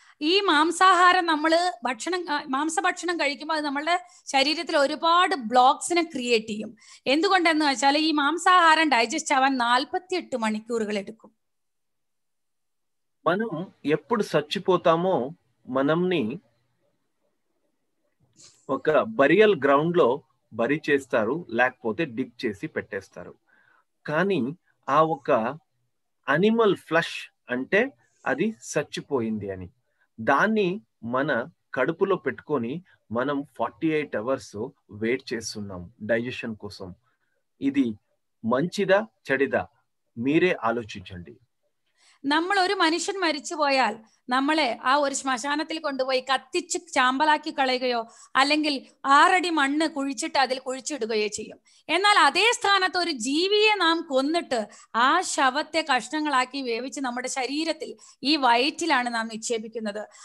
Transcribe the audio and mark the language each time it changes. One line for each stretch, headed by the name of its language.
Malayalam: ഈ മാംസാഹാരം നമ്മൾ ഭക്ഷണം മാംസഭക്ഷണം കഴിക്കുമ്പോൾ അത് നമ്മളുടെ ശരീരത്തിൽ ഒരുപാട് ബ്ലോക്സിനെ ക്രിയേറ്റ് ചെയ്യും. എന്തുകൊണ്ടെന്ന് വെച്ചാൽ ഈ മാംസാഹാരം ഡൈജസ്റ്റ് ആവാൻ 48 hours എടുക്കും.
Telugu: മനം എപ്പോഴും സച്ചിപ്പോത്താമോ മനം ఒక బరియల్ గ్రౌండ్ లో బరి చేస్తారు, లేకపోతే డిగ్ చేసి పెట్టేస్తారు. కానీ ఆ ఒక అనిమల్ ఫ్లష్ అంటే అది సచ్చిపోయింది అని, దాన్ని మన కడుపులో పెట్టుకొని మనం 48 hours వెయిట్ చేస్తున్నాం డైజెషన్ కోసం. ఇది మంచిదా చెడిదా మీరే ఆలోచించండి.
Malayalam: നമ്മൾ ഒരു മനുഷ്യൻ മരിച്ചു പോയാൽ നമ്മളെ ആ ഒരു ശ്മശാനത്തിൽ കൊണ്ടുപോയി കത്തിച്ച് ചാമ്പലാക്കി കളയുകയോ അല്ലെങ്കിൽ 6 feet മണ്ണ് കുഴിച്ചിട്ട് അതിൽ കുഴിച്ചിടുകയോ ചെയ്യും. എന്നാൽ അതേ സ്ഥാനത്ത് ഒരു ജീവിയെ നാം കൊന്നിട്ട് ആ ശവത്തെ കഷ്ണങ്ങളാക്കി വേവിച്ച് നമ്മുടെ ശരീരത്തിൽ ഈ വയറ്റിലാണ് നാം നിക്ഷേപിക്കുന്നത്.